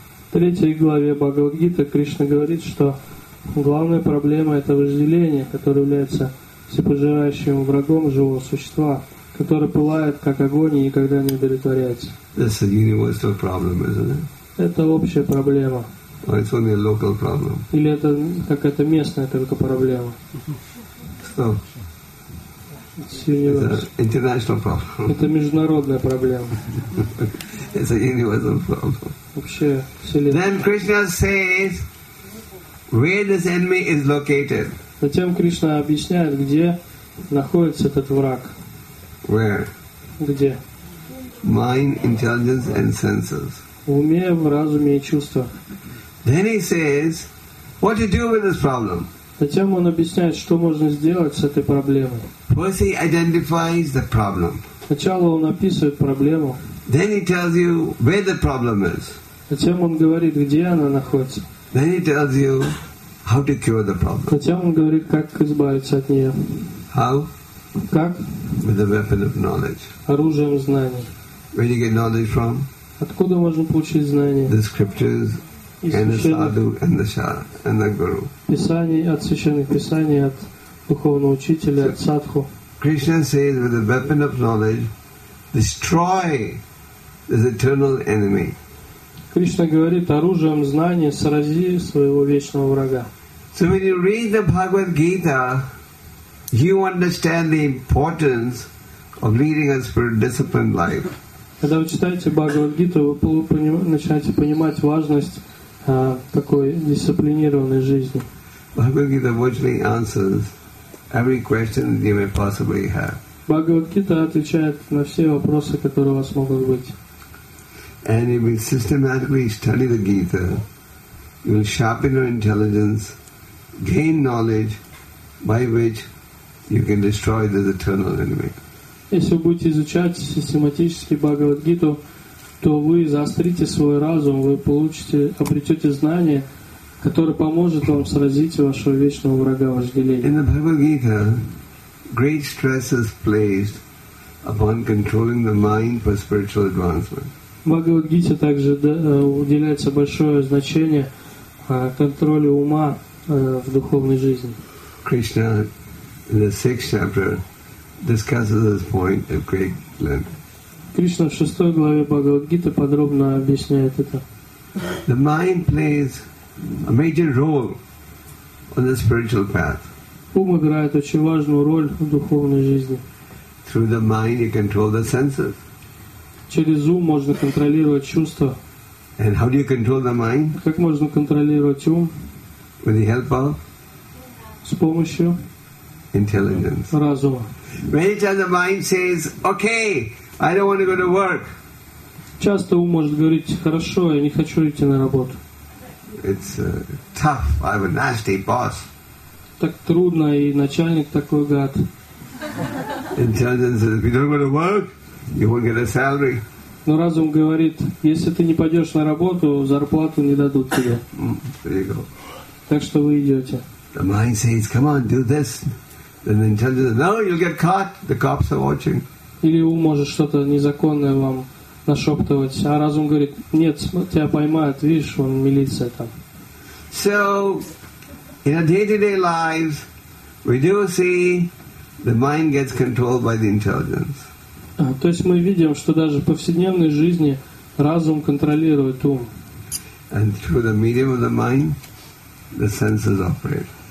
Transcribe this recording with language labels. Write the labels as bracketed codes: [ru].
[ru] В третьей главе Бхагавад-гиты Кришна говорит, что главная проблема это вожделение, которое является всепожирающим врагом живого существа. Который пылает, как огонь, и никогда не удовлетворяется. [en] That's a universal problem, isn't it? [ru] Это общая проблема. [en] Or it's only a local problem. [ru] Или это какая-то местная только проблема. [en] So, it's universal. It's an international problem. [ru] Это международная проблема. [en] It's a universal problem. [ru] Вообще, вселенная. [en] Then Krishna says, where this enemy is located. [ru] Затем Кришна объясняет, где находится этот враг. [en] Where? [ru] Где? [en] Mind, intelligence, and senses. [ru] В уме, в разуме и чувствах. [en] Then he says, what to do with this problem? [ru] Затем он объясняет, что можно сделать с этой проблемой. [en] First he identifies the problem. [ru] Сначала он описывает проблему. [en] Then he tells you where the problem is. [ru] Затем он говорит, где она находится. [en] Then he tells you how to cure the problem. [ru] Затем он говорит, как избавиться от нее. [en] How? [ru] Как? [en] With the weapon of knowledge. [ru] Оружием знаний. [en] Where do you get knowledge from? [ru] Откуда можно получить знания? [en] The scriptures and the sadhu and the shara and the guru. [ru] Писание от священных писаний, от духовного учителя, от садху. [en] Krishna says, with the weapon of knowledge, destroy this eternal enemy. [ru] Кришна говорит, оружием знания срази своего вечного врага. [en] So when you read the Bhagavad Gita, you understand the importance of leading a spiritual disciplined life. [ru] Когда вы читаете Бхагавад Гиту, вы начинаете понимать важность такой дисциплинированной жизни. [en] Bhagavad Gita virtually answers every question that you may possibly have. [ru] Бхагавад Гита отвечает на все вопросы, которые у вас могут быть. [en] And if you systematically study the Gita, you will sharpen your intelligence, gain knowledge by which you can destroy this eternal enemy. [ru] Если вы будете изучать систематически Бхагавад-гиту, то вы заострите свой разум, вы получите, обретете знание, которое поможет вам сразить вашего вечного врага, вожделения. [en] In the Bhagavad-гита, great stress is placed upon controlling the mind for spiritual advancement. [ru] В Бхагавад-гите также уделяется большое значение контролю ума в духовной жизни. [en] Krishna, in the sixth chapter, discusses this point of great length. [ru] Krishna в шестой главе Бхагавад-гиты подробно объясняет это. [en] The mind plays a major role on the spiritual path. [ru] Ум играет очень важную роль в духовной жизни. [en] Through the mind, you control the senses. [ru] Через ум можно контролировать чувства. [en] And how do you control the mind? [ru] Как можно контролировать ум? [en] With the help of? [ru] С помощью? [en] Intelligence. [ru] Разума. [en] Many times the mind says, okay, I don't want to go to work. [ru] Часто ум может говорить, хорошо, я не хочу идти на работу. [en] It's tough, I have a nasty boss. [ru] Так трудно, и начальник такой гад. [en] Intelligence says, if you don't go to work, you won't get a salary. [ru] Но разум говорит, если ты не пойдешь на работу, зарплату не дадут тебе. [en] There you go. [ru] Так что вы идете. [en] The mind says, come on, do this. Then the intelligence says, no, you'll get caught. The cops are watching. [ru] Или ум может что-то незаконное вам нашептывать. А разум говорит, нет, тебя поймают, видишь, вон милиция там. [en] So, in our day-to-day lives, we do see the mind gets controlled by the intelligence. [ru] То есть мы видим, что даже в повседневной жизни разум контролирует ум. [en] And through the medium of the mind, the senses operate.